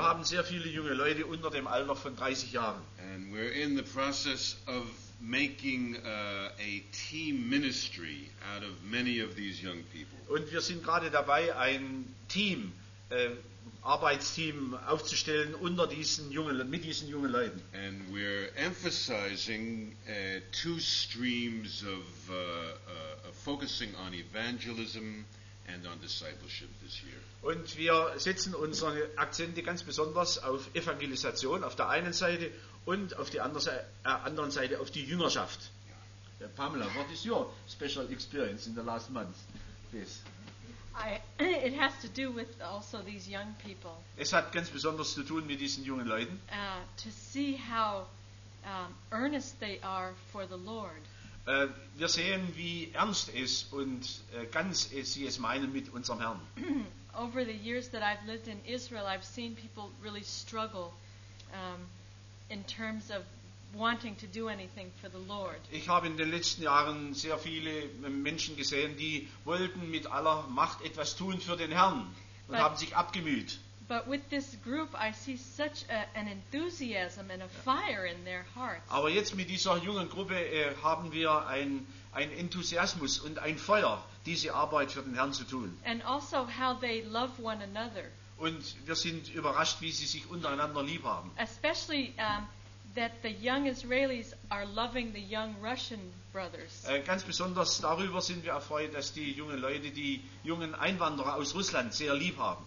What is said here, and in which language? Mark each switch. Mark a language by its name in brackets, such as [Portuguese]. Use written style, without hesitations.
[German] Wir haben sehr viele junge Leute unter dem Alter von 30 Jahren. [English] And we're in the process of making a team ministry out of many of these young people. [German] Und wir sind gerade dabei, ein Team, Arbeitsteam aufzustellen unter diesen jungen, mit diesen jungen Leuten. [English] And we're emphasizing two streams of focusing on evangelism and on discipleship this year. [German] Und wir setzen unsere Akzente ganz besonders auf Evangelisation auf der einen Seite und auf der anderen Seite auf die Jüngerschaft. [English] Yeah. Pamela, what is your special experience in the last month? Please. It has to do with also these young people. [German] Es hat ganz besonders zu tun mit diesen jungen Leuten. [English] To see how earnest they are for the Lord. [German] Wir sehen, wie ernst es und ganz sie es meinen mit unserem Herrn. [English] Over the years that I've lived in Israel, I've seen people really struggle in terms of wanting to do anything for the Lord. [German] Ich habe in den letzten Jahren sehr viele Menschen gesehen, die wollten mit aller Macht etwas tun für den Herrn und haben sich abgemüht. [English] But with this group I see such an enthusiasm and a fire in their hearts. [German] Aber jetzt mit dieser jungen Gruppe haben wir ein Enthusiasmus und ein Feuer, diese Arbeit für den Herrn zu tun. [English] And also how they love one another. [German] Und wir sind überrascht, wie sie sich untereinander lieb haben. [English] Especially that the young Israelis are loving the young Russian brothers. [German] Ganz besonders darüber sind wir erfreut, dass die jungen Leute die jungen Einwanderer aus Russland sehr lieb haben.